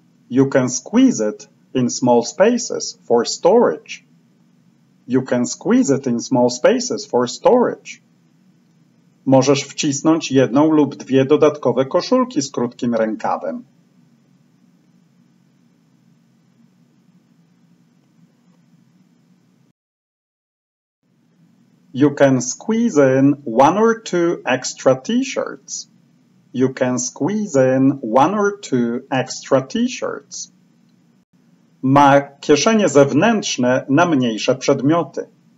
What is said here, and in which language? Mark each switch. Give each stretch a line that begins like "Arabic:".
English: You can squeeze it in small spaces for storage. You can squeeze it in small spaces for storage.
Polish: Możesz wcisnąć jedną lub dwie dodatkowe koszulki z krótkim rękawem.
English: You can squeeze in one or two extra t-shirts. You can squeeze in one or two extra t-shirts.
Polish: Ma kieszenie zewnętrzne na mniejsze przedmioty.